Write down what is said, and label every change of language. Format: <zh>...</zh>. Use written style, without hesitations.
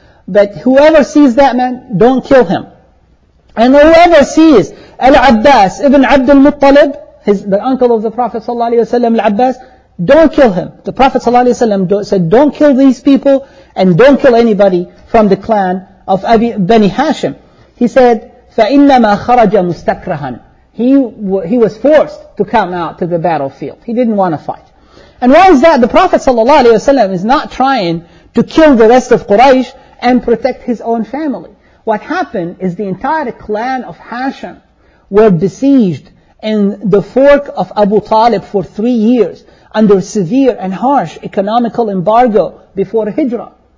<en>But whoever sees that man, don't kill him. And whoever sees Al-Abbas ibn Abd al-Muttalib, the uncle of the Prophet ﷺ, Al-Abbas, don't kill him. The Prophet ﷺ said, don't kill these people and don't kill anybody from the clan of Bani Hashim. He said,</en> <ar>فَإِنَّمَا خَرَجَ مُسْتَكْرَهًا.</ar> <en>He was forced to come out to the battlefield. He didn't want to fight. And why is that? The Prophet ﷺ is not trying to kill the rest of Quraysh and protect his own family. What happened is the entire clan of Hashim were besieged in the fork of Abu Talib for 3 years under severe and harsh economical embargo before Hijrah.</en>